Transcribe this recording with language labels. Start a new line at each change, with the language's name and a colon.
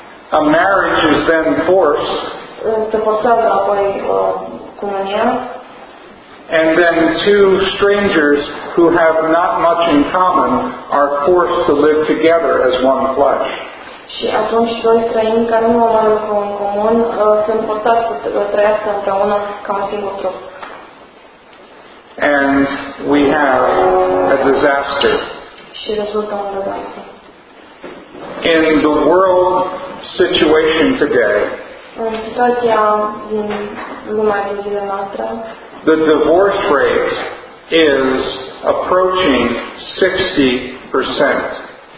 English: A marriage is then forced.
Romanian: Este forțat apoi comunia.
English: and then two strangers who have not much in common are forced to live together as one flesh.
Romanian: Și atunci doi străini care nu au lucru în comun sunt forțați să trăiască împreună ca un singur trup.
English: And we have a disaster.
Romanian: Și rezultă un dezastru.
English: In the world situation today,
Romanian: în situația din lumea din zilele noastre,
English: the divorce rate is approaching 60%.